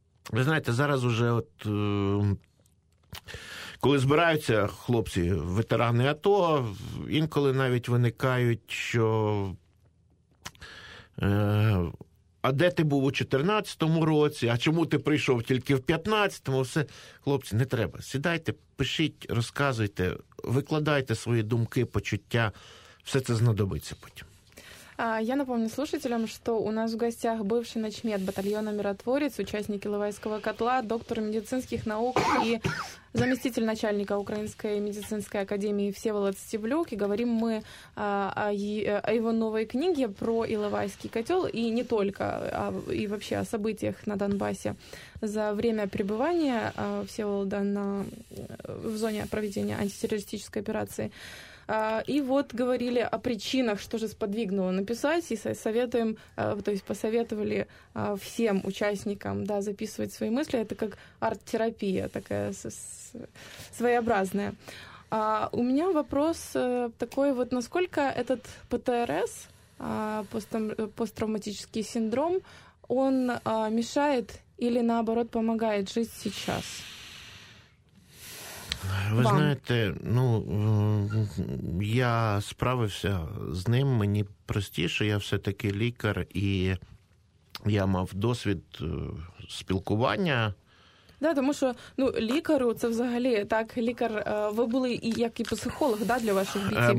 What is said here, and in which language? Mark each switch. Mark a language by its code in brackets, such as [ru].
[uk] Ви знаєте, зараз уже от, коли збираються хлопці, ветерани АТО, інколи навіть виникають, що а де ти був у 14-му році, а чому ти прийшов тільки в 15-му? Все, хлопці, не треба. Сідайте, пишіть, розказуйте, викладайте свої думки, почуття. Все це знадобиться потім. [ru] Я напомню слушателям, что у нас в гостях бывший начмед батальона «Миротворец», участник Іловайського котла, доктор медицинских наук и заместитель начальника Украинской медицинской академии Всеволод Стеблюк. И говорим мы о его новой книге про Іловайський котел, и не только, и вообще о событиях на Донбассе за время пребывания Всеволода в зоне проведения антитеррористической операции. И вот говорили о причинах, что же сподвигнуло написать, и советуем, то есть посоветовали всем участникам, да, записывать свои мысли. Это как арт-терапия такая своеобразная. У меня вопрос такой, вот насколько этот ПТРС, посттравматический синдром, он мешает или наоборот помогает жить сейчас? [uk] Ви знаєте, ну, я справився з ним, мені простіше, я все-таки лікар, і я мав досвід спілкування. Да, тому що, ну, лікару це взагалі, так, лікар, ви були і як і психолог, да, для ваших бійців?